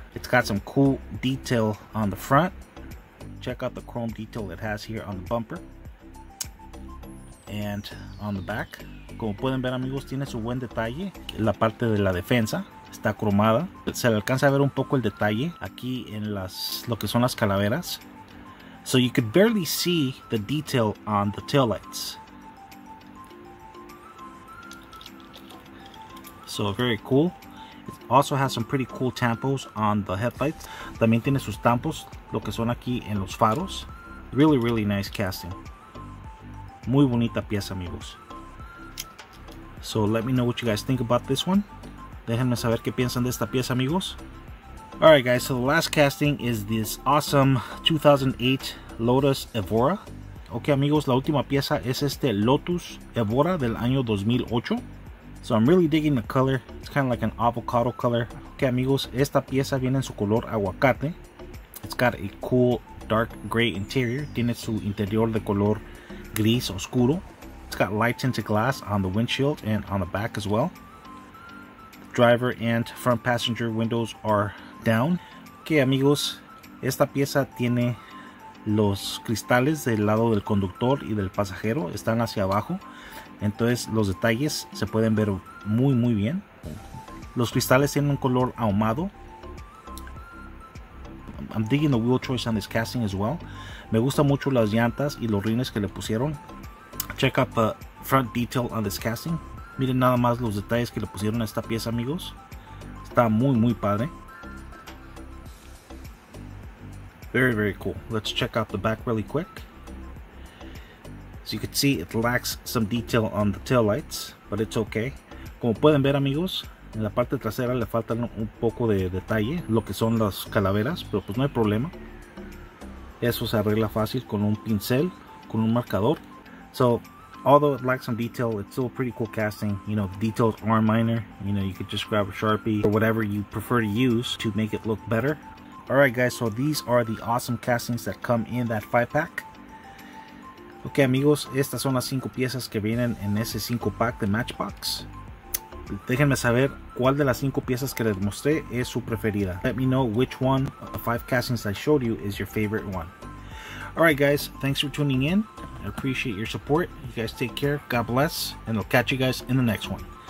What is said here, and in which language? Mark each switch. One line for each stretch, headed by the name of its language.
English: It's got some cool detail on the front. Check out the chrome detail it has here on the bumper and on the back.
Spanish: Como pueden ver, amigos, tiene su buen detalle. La parte de la defensa está cromada. Se le alcanza a ver un poco el detalle aquí en las, lo que son las calaveras.
English: So you could barely see the detail on the taillights. So very cool. It also has some pretty cool tampos on the headlights.
Spanish: También tiene sus tampos, lo que son aquí en los faros.
English: Really, really nice casting.
Spanish: Muy bonita pieza, amigos.
English: So let me know what you guys think about this one.
Spanish: Déjenme saber qué piensan de esta pieza, amigos.
English: All right, guys, so the last casting is this awesome 2008 Lotus Evora.
Spanish: Okay, amigos, la última pieza es este Lotus Evora del año 2008.
English: So I'm really digging the color. It's kind of like an avocado color.
Spanish: Okay, amigos, esta pieza viene en su color aguacate.
English: It's got a cool dark gray interior.
Spanish: Tiene su interior de color gris oscuro.
English: It's got light tinted glass on the windshield and on the back as well. Driver and front passenger windows are down.
Spanish: Okay, amigos, esta pieza tiene los cristales del lado del conductor y del pasajero están hacia abajo. Entonces los detalles se pueden ver muy muy bien. Los cristales tienen un color ahumado.
English: I'm digging the wheel choice on this casting as well.
Spanish: Me gusta mucho las llantas y los rines que le pusieron.
English: Check out the front detail on this casting.
Spanish: Miren nada más los detalles que le pusieron a esta pieza, amigos. Está muy muy padre.
English: Very very cool. Let's check out the back really quick. As you can see, it lacks some detail on the tail lights, but it's okay.
Spanish: Como pueden ver, amigos, en la parte trasera le faltan un poco de detalle, lo que son las calaveras, pero pues no hay problema. Eso se arregla fácil con un pincel, con un marcador.
English: So, although it lacks some detail, it's still a pretty cool casting. You know, detailed arm miner. You know, you could just grab a Sharpie or whatever you prefer to use to make it look better. Alright guys, so these are the awesome castings that come in that 5-pack.
Spanish: Ok amigos, estas son las 5 piezas que vienen en ese 5-pack de Matchbox. Déjenme saber cuál de las 5 piezas que les mostré es su preferida.
English: Let me know which one of the 5 castings I showed you is your favorite one. Alright guys, thanks for tuning in. I appreciate your support. You guys take care, God bless, and I'll catch you guys in the next one.